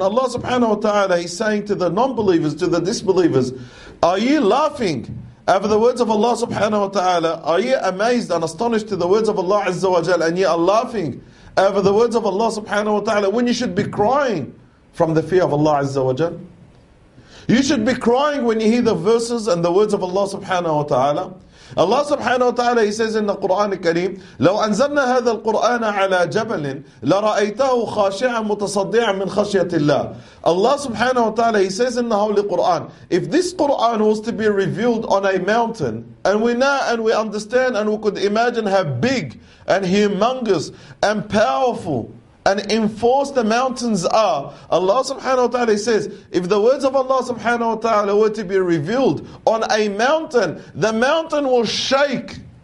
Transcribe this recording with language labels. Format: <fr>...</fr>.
<en>Allah subhanahu wa ta'ala, he's saying to the non-believers, to the disbelievers, are you laughing over the words of Allah subhanahu wa ta'ala? Are you amazed and astonished to the words of Allah azza wa jalla, and you are laughing over the words of Allah subhanahu wa ta'ala, when you should be crying from the fear of Allah azza wa jalla? You should be crying when you hear the verses and the words of Allah subhanahu wa ta'ala. Allah subhanahu wa ta'ala, he says in the Qur'an al-Kareem,</en> <ar>لَوْ أَنزَلْنَا هَذَا الْقُرْآنَ عَلَى جَبَلٍ لَرَأَيْتَهُ خَاشِعًا مُتَصَدِّعًا مِنْ خَشْيَةِ اللَّهِ.</ar> <en>Allah subhanahu wa ta'ala, he says in the Holy Qur'an, if this Qur'an was to be revealed on a mountain, and we know and we understand and we could imagine how big and humongous and powerful and enforce the mountains are, Allah subhanahu wa ta'ala says, if the words of Allah subhanahu wa ta'ala were to be revealed on a mountain, the mountain will shake.</en>